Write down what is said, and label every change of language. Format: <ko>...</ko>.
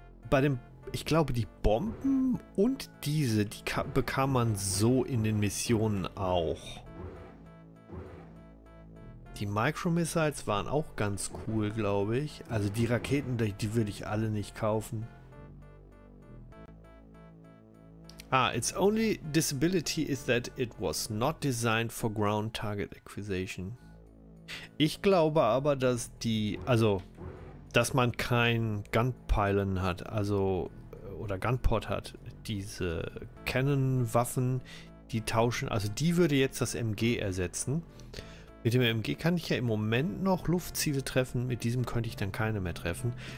<de>Bei dem, ich glaube, die Bomben und diese, die bekam man so in den Missionen auch. Die Micro-Missiles waren auch ganz cool, glaube ich. Also die Raketen, die würde ich alle nicht kaufen.</de> <en>Ah, its only disability is that it was not designed for ground target acquisition.</en> <de>Ich glaube aber, dass die, also, dass man kein Gunpylon hat, also, oder Gunpod hat. Diese Cannon-Waffen, die tauschen, also die würde jetzt das MG ersetzen. Mit dem MG kann ich ja im Moment noch Luftziele treffen, mit diesem könnte ich dann keine mehr treffen.</de>